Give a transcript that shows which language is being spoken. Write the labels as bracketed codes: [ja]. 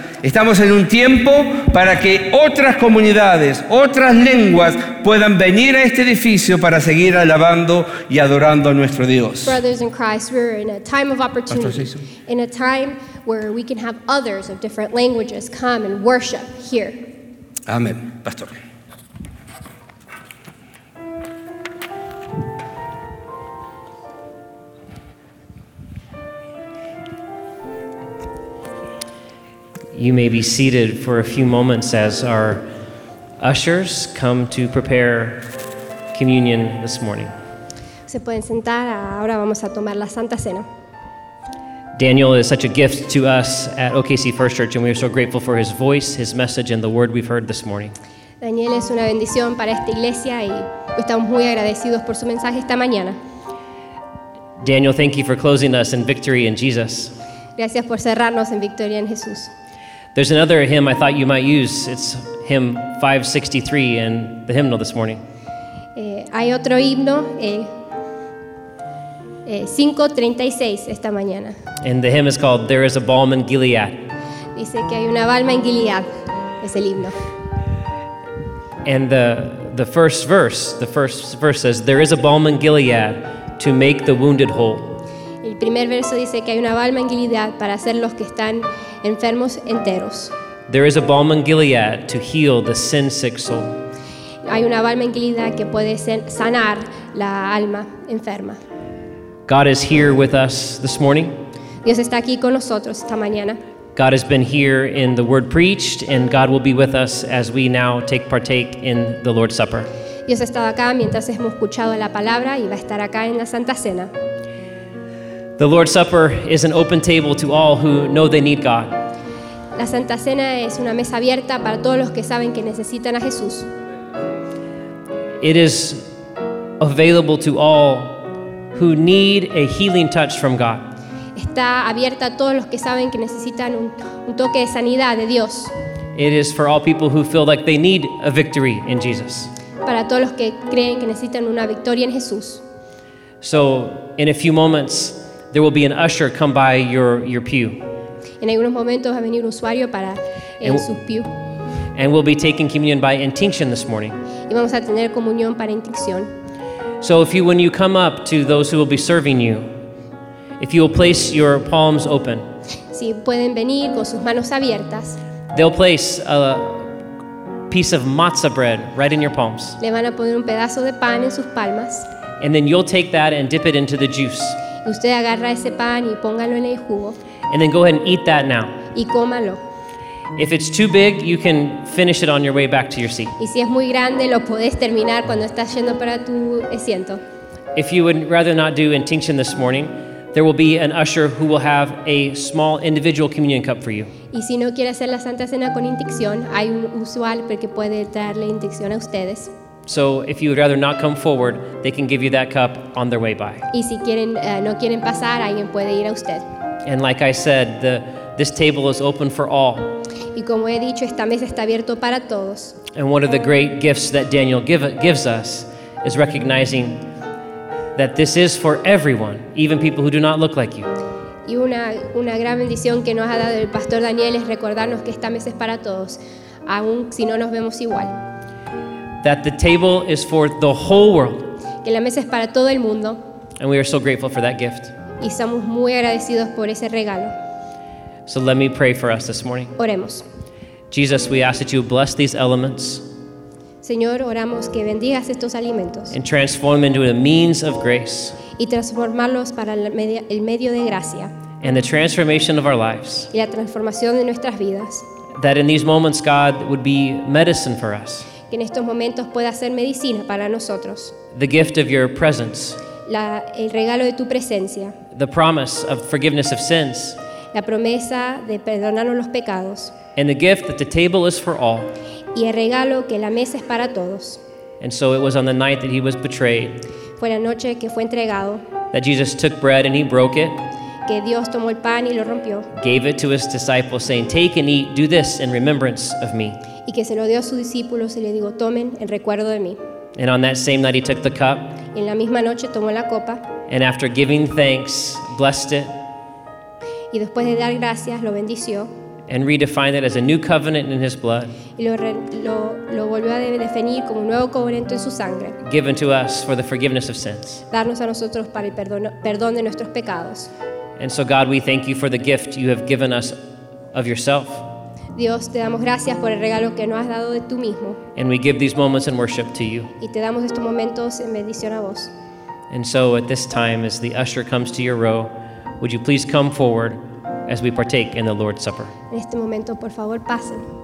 [es] Estamos en un tiempo para que otras comunidades, otras lenguas puedan venir a este edificio para seguir alabando y adorando a nuestro Dios. [en] Brothers in Christ, we're in a time of opportunity. In a time where we can have others of different languages come and worship here. [es] Amén, pastor. [en] You may be seated for a few moments as our ushers come to prepare communion this morning. [es] Se pueden sentar, ahora vamos a tomar la Santa Cena. [en] Daniel is such a gift to us at OKC First Church, and we are so grateful for his voice, his message, and the word we've heard this morning. [es] Daniel es una bendición para esta iglesia y estamos muy agradecidos por su mensaje esta mañana. [en] Daniel, thank you for closing us in victory in Jesus. [es] Gracias por cerrarnos en victoria en Jesús. [en] There's another hymn I thought you might use. It's hymn 563 in the hymnal this morning. [es] Hay otro himno, 536 esta mañana. [en] And the hymn is called There is a Balm in Gilead. [es] Dice que hay una balma en Gilead. Es el himno. [en] And the first verse says there is a balm in Gilead to make the wounded whole. [es] El primer verso dice que hay una balma en Gilead para hacer los que están enfermos enteros. [en] There is a balm in Gilead to heal the sin sick soul. [es] Hay una balma en Gilead que puede sanar la alma enferma. [en] God is here with us this morning. [es] Dios está aquí con nosotros esta mañana. [en] God has been here in the word preached, and God will be with us as we now partake in the Lord's Supper. [es] Dios ha estado acá mientras hemos escuchado la palabra y va a estar acá en la Santa Cena. [en] The Lord's Supper is an open table to all who know they need God. [es] La Santa Cena es una mesa abierta para todos los que saben que necesitan a Jesús. [en] It is available to all who need a healing touch from God. [es] Está abierta a todos los que saben que necesitan un toque de sanidad de Dios. [en] It is for all people who feel like they need a victory in Jesus. [es] Para todos los que creen que necesitan una victoria en Jesús. [en] So, in a few moments, there will be an usher come by your pew. [es] En algunos momentos va a venir un usuario para su pew. [en] And we'll be taking communion by intinction this morning. [es] Y vamos a tener comunión para intinción. [en] So when you come up to those who will be serving you, if you will place your palms open, [es] si pueden venir con sus manos abiertas, [en] they'll place a piece of matzah bread right in your palms. [es] Le van a poner un pedazo de pan en sus palmas. [en] And then you'll take that and dip it into the juice. [es] Y usted agarra ese pan y póngalo en el jugo. [en] And then go ahead and eat that now. [es] Y cómalo. [en] If it's too big, you can finish it on your way back to your seat. [es] Y si es muy grande, lo puedes terminar cuando estás yendo para tu asiento. [en] If you would rather not do intinction this morning, there will be an usher who will have a small individual communion cup for you. [es] Y si no quiere hacer la Santa Cena con intinción, hay un usual que puede traerle intinción a ustedes. [en] So if you would rather not come forward, they can give you that cup on their way by. [es] Y si quieren, no quieren pasar, alguien puede ir a usted. [en] And like I said, this table is open for all. [es] Y como he dicho, esta mesa está abierta para todos. [en] And one of the great gifts that Daniel gives us is recognizing that this is for everyone, even people who do not look like you. [es] Y una gran bendición que nos ha dado el pastor Daniel es recordarnos que esta mesa es para todos, aun si no nos vemos igual. [en] That the table is for the whole world. [es] Que la mesa es para todo el mundo. [en] And we are so grateful for that gift. [es] Y somos muy agradecidos por ese regalo. [en] So let me pray for us this morning. [es] Oremos. [en] Jesus, we ask that you bless these elements. [es] Señor, oramos que bendigas estos alimentos. [en] And transform them into a means of grace. [es] Y transformarlos para el medio de gracia. [en] And the transformation of our lives. [es] Y la transformación de nuestras vidas. [en] That in these moments, God, would be medicine for us. [es] Que en estos momentos pueda ser medicina para nosotros. [en] The gift of your presence. [es] El regalo de tu presencia. [en] The promise of forgiveness of sins. [es] La promesa de perdonarnos los pecados. [en] And the gift that the table is for all. [es] Y el regalo que la mesa es para todos. [en] And so it was on the night that he was betrayed. [es] Fue la noche que fue entregado. [en] That Jesus took bread and he broke it. [es] Que Dios tomó el pan y lo rompió. [en] Gave it to his disciples saying, take and eat, do this in remembrance of me. [es] Y que se lo dio a sus discípulos y le dijo, tomen en recuerdo de mí. [en] And on that same night he took the cup. [es] Y en la misma noche tomó la copa. [en] And after giving thanks, blessed it. [es] Y después de dar gracias, lo bendició. [en] And redefined it as a new covenant in his blood. [es] Y lo volvió a definir como un nuevo covenant en su sangre. [en] Given to us for the forgiveness of sins. [es] Darnos a nosotros para el perdón de nuestros pecados. [en] And so God, we thank you for the gift you have given us of yourself. [es] Dios, te damos gracias por el regalo que nos has dado de tú mismo. [en] And we give these moments in worship to you. [es] Y te damos estos momentos en bendición a vos. [en] And so at this time, as the usher comes to your row, would you please come forward as we partake in the Lord's Supper. [es] En este momento, por favor, pasen.